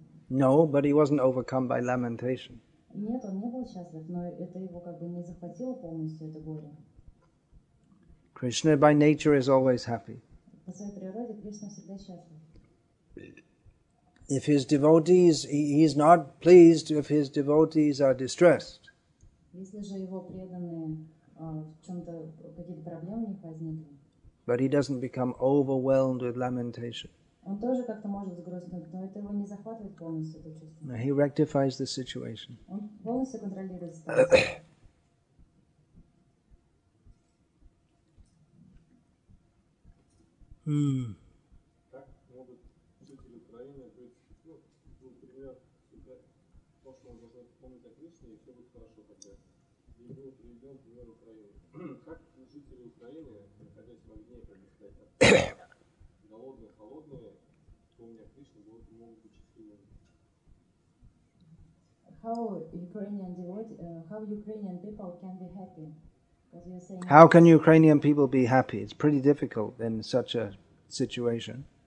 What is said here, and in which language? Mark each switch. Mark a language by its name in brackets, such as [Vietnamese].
[English] No, but he wasn't overcome by lamentation. [Russian] Нет, он не был счастлив, но это его как бы не захватило полностью, это горе. [English] Krishna by nature is always happy. [Russian] По своей природе Кришна всегда счастлив. [English] If his devotees, he's not pleased if his devotees are distressed. [Russian] Если же его преданные в чем-то какие-то проблемы у них возникли. [English] But he doesn't become overwhelmed with lamentation. [Russian] Он тоже как-то может сгрустнуть, но это его не захватывает полностью, это чувство. [English] No, he rectifies the situation. [Russian] Он полностью контролирует ситуацию. Как могут жители Украины быть, ну, например, то, что он должен помнить о Кришне, и все будет хорошо хотя. И был приведен пример Украины. Как жители Украины, находясь в огне, как бы сказать, голодные, холодные, помня Кришне, могут быть счастливыми? [English] How Ukrainian devotee, how Ukrainian people can be happy? How can Ukrainian people be happy? It's pretty difficult in such a situation.